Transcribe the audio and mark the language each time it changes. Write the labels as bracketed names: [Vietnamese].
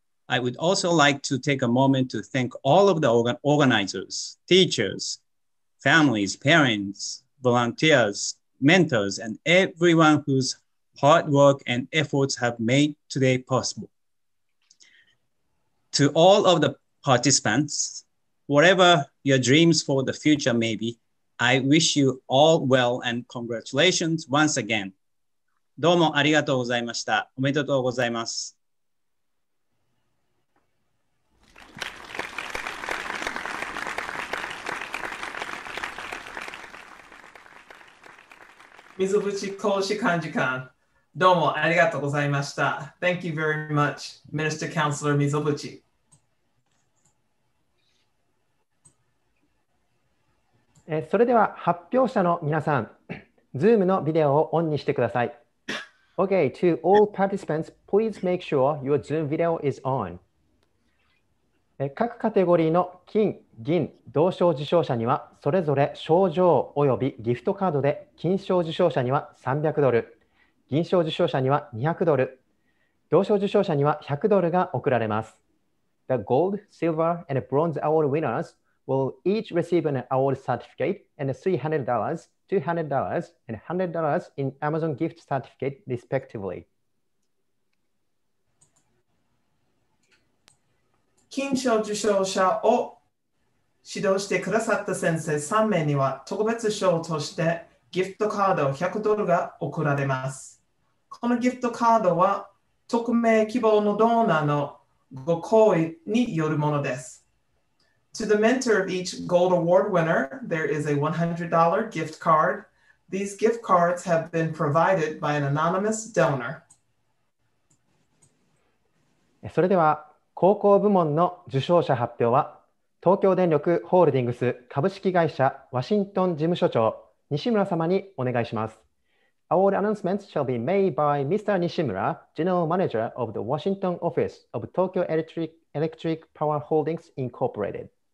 [English] I would also like to take a moment to thank all of the organizers, teachers, families, parents, volunteers, mentors, and everyone whose hard work and efforts have made today possible. To all of the participants, whatever your dreams for the future may be, I wish you all well and congratulations once again. [Japanese] どうもありがとうございました。おめでとうございます。水淵公使館次官、どうもありがとうございました。 [English] Thank you very much, Minister Councillor 水淵。 [Japanese] それでは発表者の皆さん、Zoom のビデオをオンにしてください。 [English] Okay, to all participants, please make sure your Zoom video is on. [Japanese] 各カテゴリーの金、銀、銅賞受賞者には、それぞれ賞状およびギフトカードで、金賞受賞者には300ドル、銀賞受賞者には200ドル、銅賞受賞者には100ドルが贈られます。 [English] The gold, silver, and bronze award winners will each receive an award certificate and $300. $200 and $100 in Amazon gift certificate, respectively. [Japanese] 金賞受賞者を指導してくださった先生3名には特別賞としてギフトカード100ドルが贈られます。このギフトカードは匿名希望のドーナーのご好意によるものです。 [English] To the mentor of each gold award winner, there is a $100 gift card. These gift cards have been provided by an anonymous donor. [Japanese] それでは、高校部門の受賞者発表は、東京電力ホールディングス株式会社ワシントン事務所長、西村様にお願いします。 [English] Award announcements shall be made by Mr. Nishimura, General Manager of the Washington Office of Tokyo Electric Power Holdings Incorporated.